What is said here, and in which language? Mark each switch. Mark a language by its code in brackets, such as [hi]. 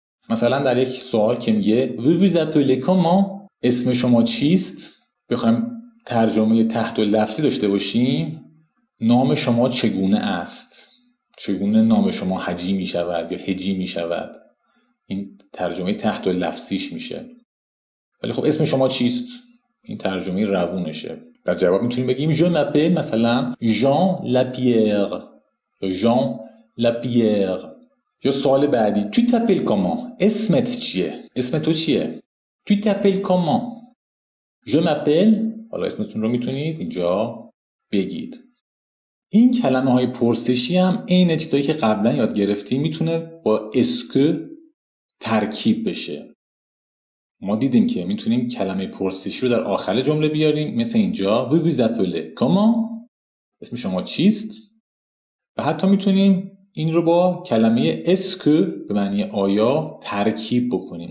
[fa] مثلا در یک سوال که میگه ویویز اپلی کاما، اسم شما چیست؟ بخوایم ترجمه تحت و لفظی داشته باشیم، نام شما چگونه است؟ چگونه نام شما هجی میشود یا هجی میشود؟ این ترجمه تحت و لفظیش میشه. ولی خب اسم شما چیست؟ این ترجمه روونشه. در جواب میتونیم بگیم جون اپل مثلا جان لپیر، جان لپیر. یا سوال بعدی [fr] tu t'appelles comment، [fa] اسمت چیه، اسم تو چیه. [fr] tu t'appelles comment، je m'appelle. [fa] حالا اسمتون رو میتونید اینجا بگید. این کلمه های پرسشی هم عین چیزایی که قبلا یاد گرفتیم میتونه با اسکو ترکیب بشه. ما دیدیم که میتونیم کلمه پرسشی رو در آخر جمله بیاریم، مثل اینجا [fr] vous vous appelez comment، [fa] اسم شما چیست، و حتی میتونیم این رو با کلمه اسکو به معنی آیا ترکیب بکنیم.